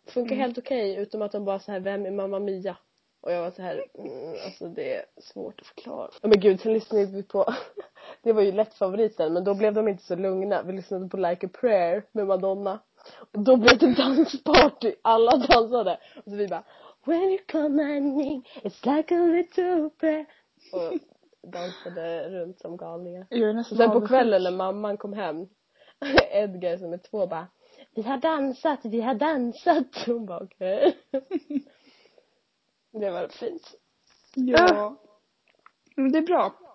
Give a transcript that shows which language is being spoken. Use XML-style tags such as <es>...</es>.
<sv>Funkar helt okej, okay, utom att de bara så här, vem är Mamma Mia? Och jag var så här, alltså det är svårt att förklara. Oh, men gud, sen lyssnade vi på, det var ju lätt favoriten, men då blev de inte så lugna. Vi lyssnade på Like a Prayer med Madonna. Och då blev det dansparty, alla dansade. Och så vi bara,</sv> <en>when you call my name, it's like a little prayer.</en> <sv>Och dansade runt som galningar. Sen på kvällen när mamman kom hem, Edgar som är 2 bara, vi har dansat. Hon bara, okej. Det var fint. Ja. Men det är bra.</sv>